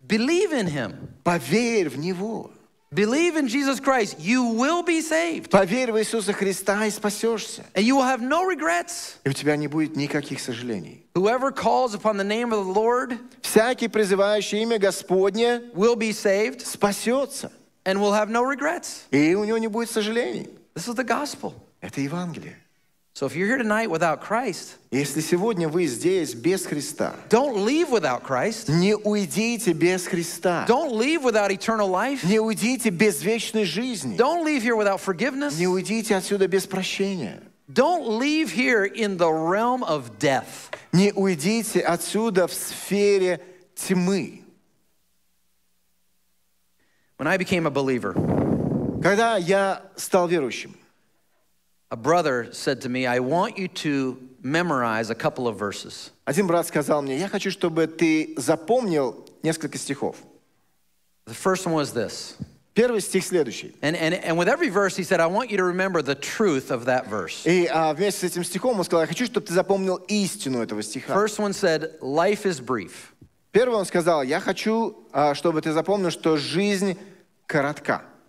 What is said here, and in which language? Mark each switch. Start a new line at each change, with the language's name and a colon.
English: Believe in Him.
Russian: Поверь в Него.
English: Believe in Jesus Christ, you will be saved.
Russian: Поверь в Иисуса Христа и спасешься.
English: And you will have no regrets.
Russian: И у тебя не будет никаких сожалений.
English: Whoever calls upon the name of the Lord,
Russian: всякий призывающий имя Господне,
English: will be saved.
Russian: Спасется.
English: And will have no regrets.
Russian: И у него не будет сожалений.
English: This is the gospel.
Russian: Это Евангелие.
English: So if you're here tonight without Christ,
Russian: если сегодня вы здесь без Христа,
English: don't leave without Christ.
Russian: Не уйдите без Христа.
English: Don't leave without eternal life.
Russian: Не уйдите без вечной жизни.
English: Don't leave here without forgiveness.
Russian: Не уйдите отсюда без прощения.
English: Don't leave here in the realm of death.
Russian: Не уйдите отсюда в сфере тьмы.
English: When I became a believer,
Russian: когда я стал верующим,
English: a brother said to me, I want you to memorize a couple of verses.
Russian: Один брат сказал мне, я хочу, чтобы ты запомнил несколько стихов.
English: The first one was this.
Russian: Первый стих следующий.
English: And with every verse, he said, I want you to remember the truth of that verse.
Russian: И вместе с этим стихом он сказал, я хочу, чтобы ты запомнил истину этого стиха.
English: First one said, life is brief.
Russian: Первый он сказал, я хочу, чтобы ты запомнил, что жизнь коротка.